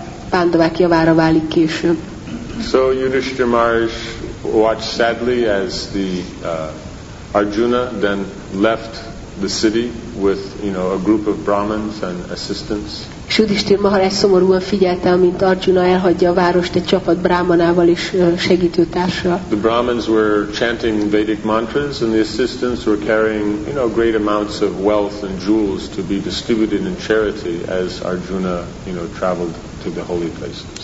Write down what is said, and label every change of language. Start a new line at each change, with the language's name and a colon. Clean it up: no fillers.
Hungarian: Pándavák javára válik később.
English: So Yudhishthira Maharaj watched sadly as the Arjuna then left the city with, you know, a group of brahmins and assistants.
Hungarian: Yudhishthira Maharaj szomorúan figyelte, amint Arjuna elhagyja a várost egy csapat brahmanával és segítőtársa.
English: The brahmins were chanting Vedic mantras and the assistants were carrying, you know, great amounts of wealth and jewels to be distributed in charity as Arjuna, you know, traveled to the holy places.